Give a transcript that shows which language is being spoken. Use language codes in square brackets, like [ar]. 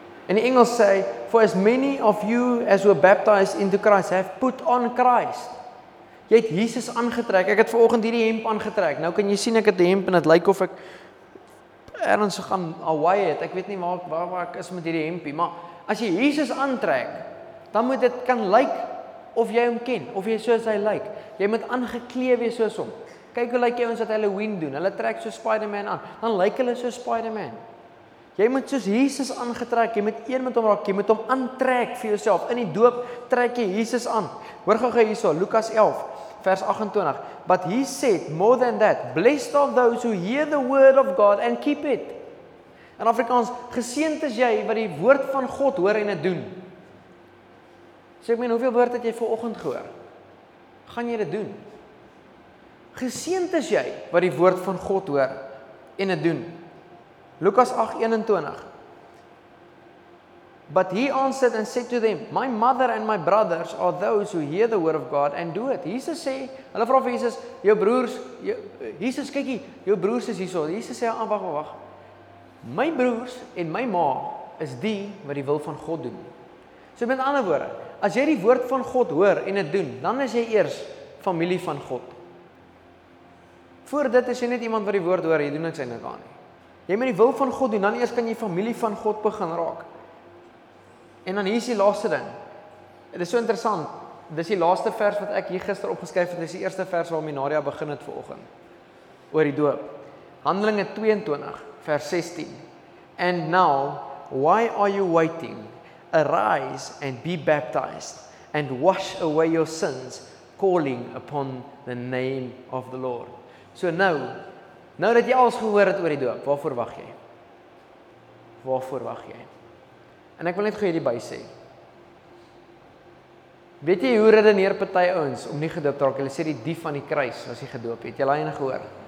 [af] In die Engels sê, [en] "For as many of you as were baptized into Christ have put on Christ." [af] Jy het Jesus aangetrek. Ek het vanoggend hierdie hemp aangetrek. Nou kan jy sien ek het 'n hemp en dit lyk of ek ergens gaan Hawaii het. Ek weet nie waar ek is met hierdie hempie, maar as jy Jesus aantrek, dan moet dit kan lyk of jy hom ken, of jy soos hy lyk. Jy moet aangeklee wees soos hom. Kyk hoe lyk jy ons wat Halloween doen. Hulle trek so Spider-Man aan. Dan lyk hulle so Spider-Man. Jy moet soos Jesus aangetrek, jy moet een met hom raak, jy moet hom aantrek vir jouself. In die doop trek jy Jesus aan. Hoor gou-gou hierso, Lukas 11 vers 28. [en] But he said, "More than that, blessed are those who hear the word of God and keep it." [af] In Afrikaans, geseend is jy wat die woord van God hoor en dit doen. So ek meen, hoeveel woord het jy vanoggend gehoor? Gaan jy dit doen? Geseend is jy wat die woord van God hoor en dit doen. Lukas 8:21. [en] But he answered and said to them, "My mother and my brothers are those who hear the word of God and do it." [af] Jesus sê, hulle vra vir Jesus, "Jou broers, Jesus kykie, jou broers is hierso." Jesus sê, "Wag. My broers en my ma is die wat die wil van God doen." So met ander woorde, as jy die woord van God hoor en dit doen, dan is jy eers familie van God. Voor dit is jy net iemand wat die woord hoor, jy doen niks eintlik aan nie. Jy moet die wil van God doen, dan eers kan jy familie van God begin raak. En dan hier is die laaste ding. Dit is so interessant. Dis die laaste vers wat ek hier gister opgeskryf het, dis die eerste vers waarmee Nadia begin het vanoggend. Oor die doop. Handelinge 22 vers 16. [en] "And now, why are you waiting? Arise and be baptized and wash away your sins, calling upon the name of the Lord." [af] So nou dat jy alles gehoor het oor die doop, waarvoor wag jy? Waarvoor wag jy? En ek wil net gou hierby sê. Weet jy hoe redeneer party ouens om nie gedoop te raak? Hulle sê die dief van die kruis was hy gedoop. Het jy al enige gehoor?